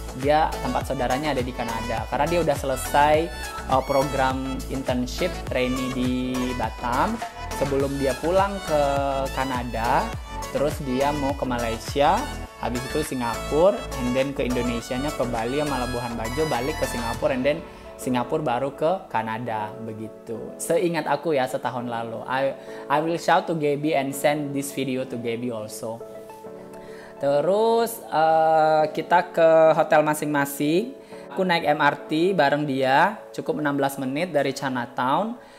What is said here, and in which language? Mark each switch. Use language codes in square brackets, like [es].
[id] Dia tempat saudaranya ada di Kanada. Karena dia udah selesai program internship trainee di Batam. Sebelum dia pulang ke Kanada, terus dia mau ke Malaysia, habis itu Singapura, [en] and then [id] ke Indonesianya ke Bali sama Labuhan Bajo, balik ke Singapura, and then Singapura baru ke Kanada, begitu. Seingat aku ya, setahun lalu. [en] I will shout to Gabby and send this video to Gabby also. [id] Terus kita ke hotel masing-masing. Aku naik MRT bareng dia, cukup 16 menit dari Chinatown.